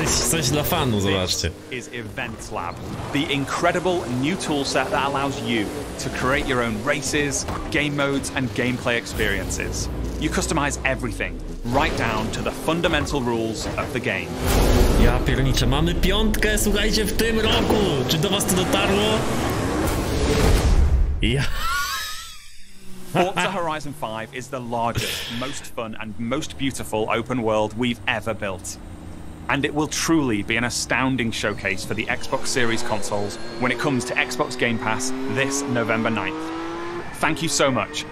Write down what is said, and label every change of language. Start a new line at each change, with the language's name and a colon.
Polish: coś dla fanu, zobaczcie.
English: This is Events Lab, the incredible new toolset that allows you to create your own races, game modes, and gameplay experiences. You customize everything, right down to the fundamental rules of the game.
Polish: Ja pierniczę, mamy piątkę, słuchajcie, w tym roku! Czy do was to dotarło? Ja...
English: Forza Horizon 5 is the largest, most fun, and most beautiful open world we've ever built. And it will truly be an astounding showcase for the Xbox Series consoles when it comes to Xbox Game Pass this November 9th. Thank you so much.